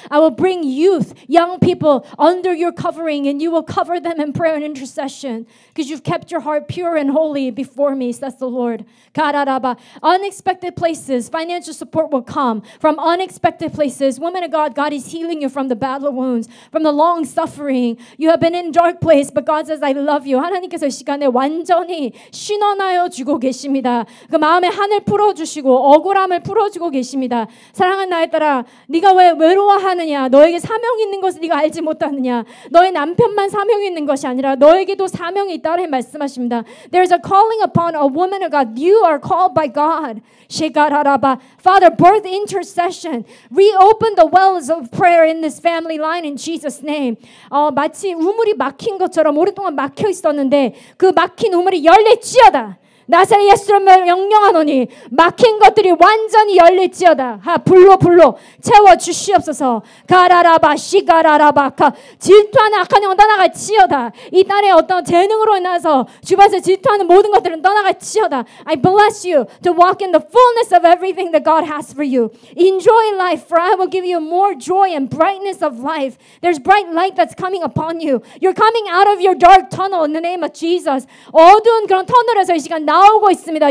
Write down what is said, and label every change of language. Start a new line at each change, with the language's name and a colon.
English: I will bring youth, young people under your covering, and you will cover them in prayer and intercession because you've kept your heart pure and holy before me, says the Lord. Kararaba. Unexpected places, financial support will come from unexpected places. Woman of God, God is healing you from the battle wounds, from the long suffering. You have been in dark place, but God says, I love you.
Korean: 하나님께서 시간에 완전히 신원하여 주고 계십니다. 그 마음의 한을 풀어주시고 억울함을 풀어주고 계십니다. 사랑하는 나의 딸아, 네가 왜 외로워하느냐? 너에게 사명이 있는 것을 네가 알지 못하느냐? 너의 남편만 사명이 있는 것이 아니라 너에게도 사명이 있다고 말씀하십니다.
English: There is a calling upon a woman of God. You are called by God. 시가라라바. Father, birth intercession. Reopen the wells of prayer in this family line in Jesus' name.
Korean: 마치 우물이 막힌 것처럼 오랫동안 막혀 있었는데 그 막힌 우물이 열릴지어다. 나사렛 예수님의 영영하노니 막힌 것들이 완전히 열릴지어다. 하 불로 채워 주시옵소서. 가라라바 시가라라바카 질투하는 악한 영 떠나갈지어다. 이 딸의 어떤 재능으로 인해서 주변에서 질투하는 모든 것들은 떠나갈지어다.
English: I bless you to walk in the fullness of everything that God has for you. Enjoy life, for I will give you more joy and brightness of life. There's bright light that's coming upon you. You're coming out of your dark tunnel in the name of Jesus.
Korean: 어두운 그런 터널에서 이 시간 나오고 있습니다.